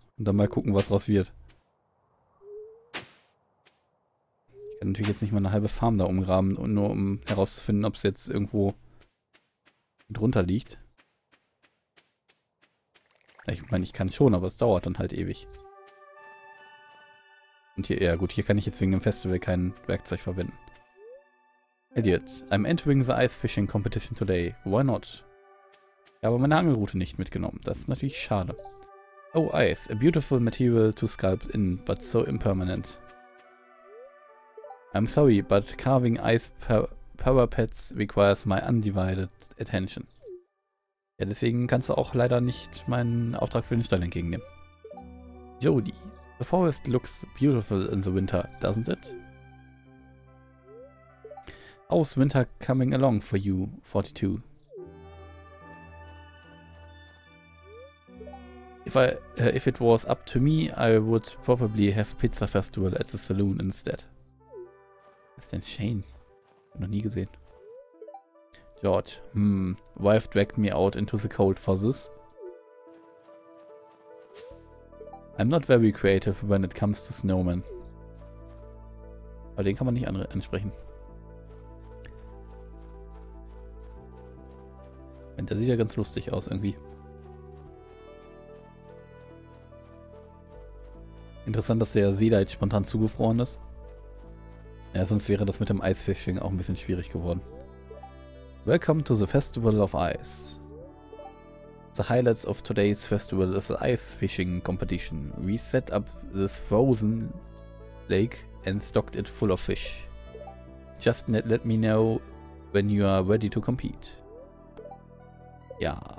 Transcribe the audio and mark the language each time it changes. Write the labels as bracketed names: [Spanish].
[German] Und dann mal gucken, was raus wird. Ich kann natürlich jetzt nicht mal eine halbe Farm da umgraben, nur um herauszufinden, ob es jetzt irgendwo drunter liegt. Ich meine, ich kann schon, aber es dauert dann halt ewig. Und hier, ja gut, hier kann ich jetzt wegen dem Festival kein Werkzeug verwenden. [English] Idiot, I'm entering the ice fishing competition today. Why not? [German] Ich habe meine Angelrute nicht mitgenommen. Das ist natürlich schade. Oh, ice. [English] A beautiful material to sculpt in, but so impermanent. I'm sorry, but carving ice parapets requires my undivided attention. [German] Ja, deswegen kannst du auch leider nicht meinen Auftrag für den Stall entgegennehmen. [English] Jody, the forest looks beautiful in the winter, doesn't it? How's winter coming along for you, 42? If it was up to me, I would probably have a pizza festival at the saloon instead. [German] Was ist denn Shane? Hab noch nie gesehen. [English] George, wife dragged me out into the cold for this. I'm not very creative when it comes to snowmen. [German] Aber den kann man nicht ansprechen. Der sieht ja ganz lustig aus irgendwie. Interessant, dass der See da jetzt spontan zugefroren ist. Ja, sonst wäre das mit dem Eisfishing auch ein bisschen schwierig geworden. [English] Welcome to the Festival of Ice. The highlights of today's festival is the ice fishing competition. We set up this frozen lake and stocked it full of fish. Just let me know when you are ready to compete. Ja.